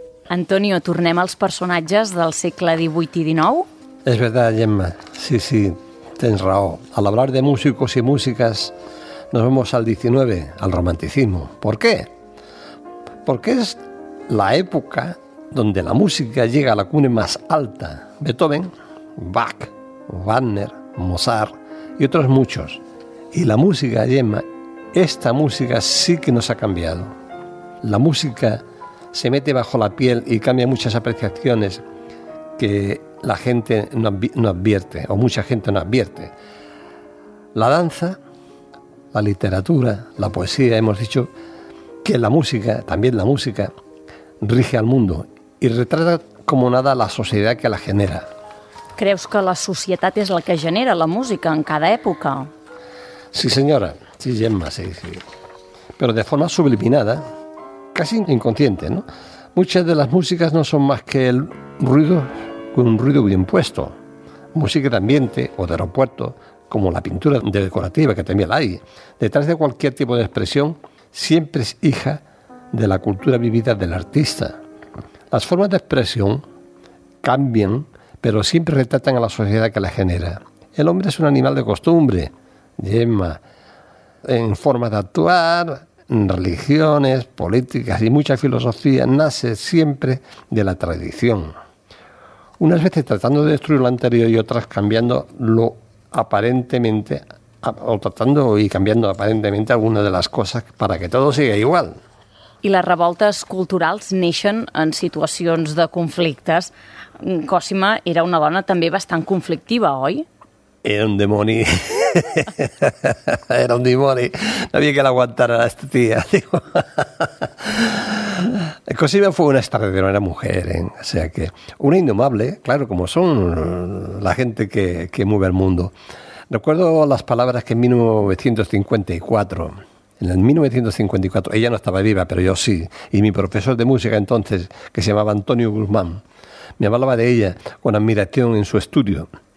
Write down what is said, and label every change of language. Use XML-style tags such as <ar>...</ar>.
<ca>Antonio, tornem als personatges del segle XVIII i XIX? És veritat, Gemma. Sí, sí, tens raó.</ca> <es>Al hablar de músicos y músicas, nos vamos al XIX, al romanticismo. ¿Por qué? Porque es la época donde la música llega a la cumbre más alta. Beethoven, Bach, Wagner, Mozart y otros muchos. Y la música, Gemma, esta música sí que nos ha cambiado. La música se mete bajo la piel y cambia muchas apreciaciones que la gente no advierte, o mucha gente no advierte. La danza, la literatura, la poesía, hemos dicho que la música, también la música, rige al mundo y retrata como nada la sociedad que la genera.</es> <ca>¿Creus que la societat és la que genera la música en cada època? Sí, senyora. Sí, Gemma, sí, sí.</ca> <es>Pero de forma subliminada, casi inconsciente, ¿no? Muchas de las músicas no son más que el ruido, un ruido bien puesto. Música de ambiente o de aeropuerto, como la pintura decorativa que también la hay. Detrás de cualquier tipo de expresión, siempre es hija de la cultura vivida del artista. Las formas de expresión cambian, pero siempre retratan a la sociedad que la genera. El hombre es un animal de costumbre, Gemma, en formas de actuar, religiones, políticas y mucha filosofía nace siempre de la tradición. Unas veces tratando de destruir lo anterior y otras cambiando lo aparentemente, o tratando y cambiando aparentemente algunas de las cosas para que todo siga igual.</es> <ca>I les revoltes culturals neixen en situacions de conflictes. Cosima era una dona també bastant conflictiva, oi? Era un demoni. Era un dimoni. No havia que l'aguantar a aquesta tia.</ca> <es>Cosima fue una extraordinaria mujer, ¿eh? O sea que una indomable, claro, como son la gente que mueve el mundo. Recuerdo las palabras que en 1954... En 1954, ella no estaba viva, pero yo sí, y mi profesor de música entonces, que se llamaba Antonio Guzmán, me hablaba de ella con admiración en su estudio.</es>